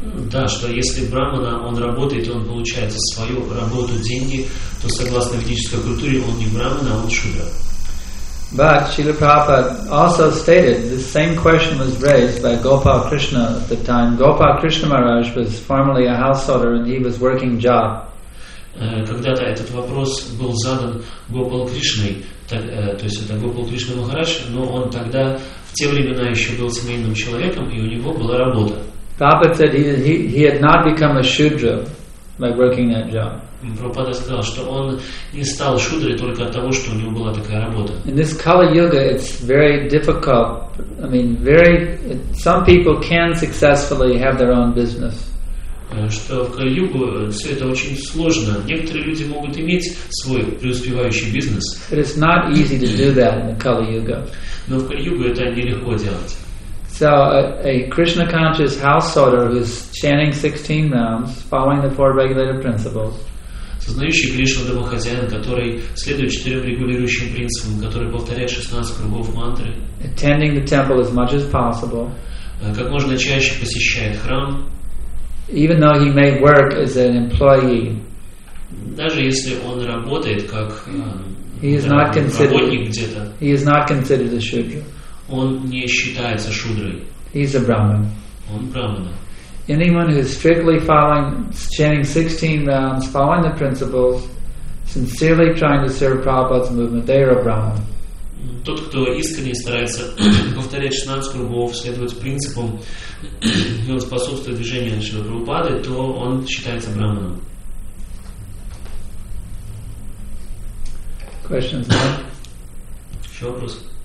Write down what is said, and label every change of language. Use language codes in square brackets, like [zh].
[ru] Да, что если Брахмана, он работает, он получает за свою работу деньги, то согласно ведической культуре, он не Брахман, а он Шудра. [en] But Srila Prabhupada also stated, this same question was raised by Gopal Krishna at the time. Gopal Krishna Maharaj was formerly a householder and he was working job. [ru] Когда-то этот вопрос был задан Гопал Кришной, то есть это Гопал Кришна Махарадж, но он тогда в те времена еще был семейным человеком, и у него была работа. [en] Prabhupada said he had not become a Shudra by working that job. [ru] Прабхупада сказал, что он не стал шудрой только от того, что у него была такая работа. [en] In this Kali Yuga, it's very difficult. I mean, very. Some people can successfully have their own business. [ru] Что в Кали-Югу все это очень сложно. Некоторые люди могут иметь свой преуспевающий бизнес. [en] But it's not easy to do that in the Kali Yuga. [ru] Но в Кали-Югу это нелегко делать. [en] So a Krishna conscious householder who is chanting 16 rounds, following the four regulative principles. [ru] Сознающий Кришну домохозяин, который следует четырем регулирующим принципам, который повторяет 16 кругов мантры. [en] Attending the temple as much as possible. [ru] Как можно чаще посещает храм. [en] Even though he may work as an employee. [ru] Даже если он работает как работник где-то. [en] He is not considered a shudra. [ru] Он не считается шудрой. [en] He is a brahman. [ru] Он брахмана. [en] Anyone who is strictly following, chanting 16 rounds, following the principles, sincerely trying to serve Prabhupada's movement, they are a Brahman. [ru] Тот, кто искренне старается повторять 16 кругов, следовать принципам, и он способствует движению Шрила Прабхупады, то он считается Брахманом. [en] Questions? [ru] Еще вопрос?